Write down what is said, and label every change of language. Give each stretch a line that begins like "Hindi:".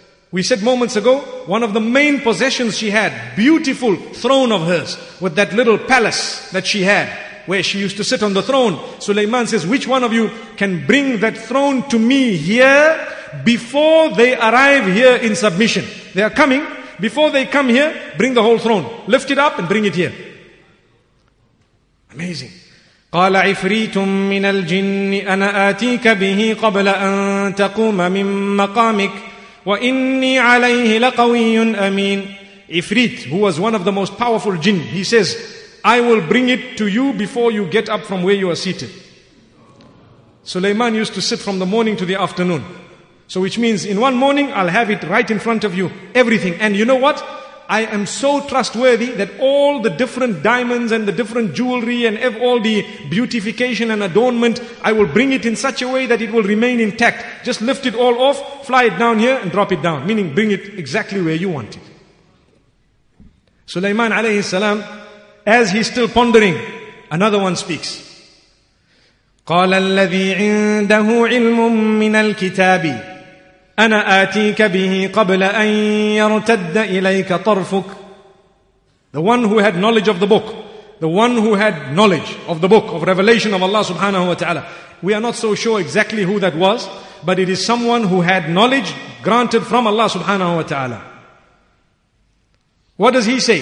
English: We said moments ago, one of the main possessions she had, beautiful throne of hers, with that little palace that she had, where she used to sit on the throne. Sulaiman says, which one of you can bring that throne to me here before they arrive here in submission? They are coming. Before they come here, bring the whole throne. Lift it up and bring it here. Amazing.
Arabic: قال عفريت من الجن أنا آتيك به قبل أن تقوم من مقامك وإني عليه لقوي أمين.
English: Ifrit, who was one of the most powerful jinn, he says, I will bring it to you before you get up from where you are seated. Sulaiman used to sit from the morning to the afternoon. So which means in one morning I'll have it right in front of you, everything. And you know what? I am so trustworthy that all the different diamonds and the different jewelry and all the beautification and adornment, I will bring it in such a way that it will remain intact. Just lift it all off, fly it down here and drop it down. Meaning bring it exactly where you want it. Sulaiman alayhi salam, as he's still pondering, another one speaks.
Arabic: قال الذي عنده علم من الكتاب أنا آتيك به قبل أن يرتد إليك طرفك.
English: The one who had knowledge of the book, the one who had knowledge of the book of revelation of Allah subhanahu wa ta'ala. We are not so sure exactly who that was, but it is someone who had knowledge granted from Allah subhanahu wa ta'ala. What does he say?